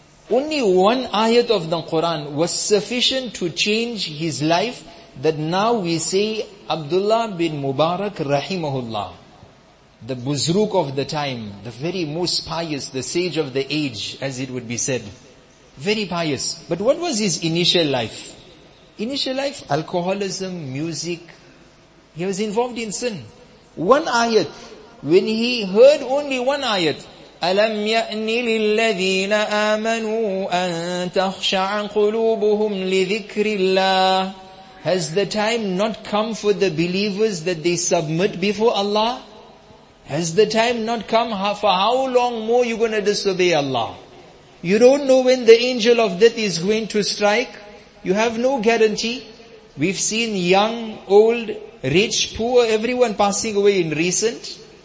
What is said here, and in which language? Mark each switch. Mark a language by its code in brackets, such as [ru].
[en] Only one ayat of the Quran was sufficient to change his life, that now we say Abdullah bin Mubarak rahimahullah. The buzruk of the time, the very most pious, the sage of the age, as it would be said. Very pious. But what was his initial life? Initial life, alcoholism, music. He was involved in sin. One ayat, when he heard only one ayat, [ar] أَلَمْ يَأْنِ لِلَّذِينَ آمَنُوا أَن تَخْشَعَ قُلُوبُهُمْ لِذِكْرِ اللَّهِ. [en] Has the time not come for the believers that they submit before Allah? Has the time not come? For how long more you going to disobey Allah? You don't know when the angel of death is going to strike. You have no guarantee. We've seen young, old, rich, poor, everyone passing away in recent.